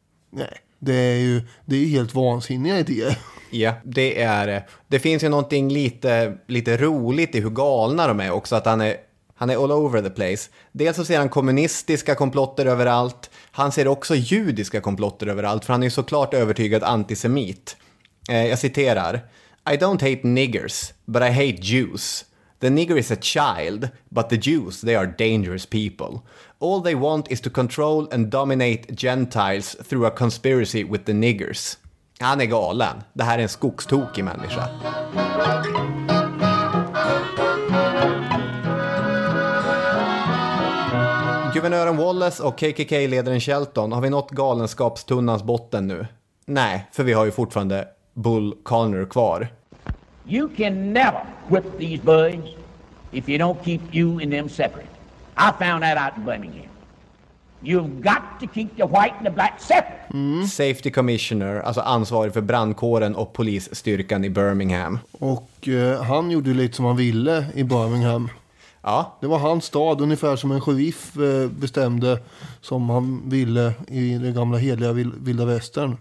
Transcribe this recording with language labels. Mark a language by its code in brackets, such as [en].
[sv] Nej, det är ju helt vansinniga idéer. Ja, det är det. Det finns ju någonting lite roligt i hur galna de är också. Att Han är [en] all over the place. [sv] Dels så ser han kommunistiska komplotter överallt. Han ser också judiska komplotter överallt, för han är ju såklart övertygad antisemit. Jag citerar: [en] "I don't hate niggers, but I hate Jews. The nigger is a child, but the Jews, they are dangerous people. All they want is to control and dominate Gentiles through a conspiracy with the niggers." [sv] Han är galen. Det här är en skogstokig människa. Guvernören Wallace och KKK-ledaren Shelton, har vi nått galenskapstunnans botten nu? Nej, för vi har ju fortfarande Bull Connor kvar. [en] You can never whip these boys if you don't keep you and them separate. I found that out in Birmingham. You've got to keep the white and the black separate. [sv] Safety commissioner, alltså ansvarig för brandkåren och polisstyrkan i Birmingham. Och han gjorde lite som han ville i Birmingham. Ja. Det var hans stad, ungefär som en sheriff bestämde som han ville i den gamla hedliga vilda västern.